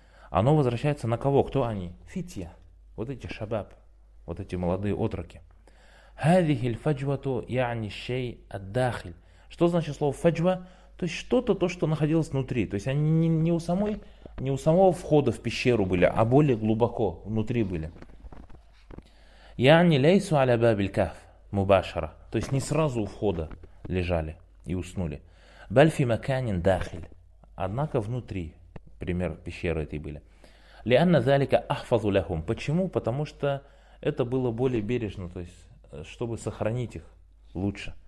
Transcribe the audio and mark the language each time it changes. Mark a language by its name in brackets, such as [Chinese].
[Russian] Оно возвращается на кого? Кто они? «Фитья». Вот эти «шабаб», вот эти молодые отроки. [Arabic] «Хадихи л-фаджвату я'ни шей ад-дахиль». [Russian] Что значит слово «фаджва»? То есть что-то, то, что находилось внутри. То есть они не у самого входа в пещеру были, а более глубоко внутри были. [Arabic] يعني ليسوا على باب الكهف مباشرة. [Russian] То есть не сразу у входа лежали и уснули. [Arabic] بل في مكان داخل. [Russian] Однако внутри, пример пещеры этой были. [Arabic] لأن ذلك أحفظ لهم. [Russian] Почему? Потому что это было более бережно, то есть чтобы сохранить их лучше.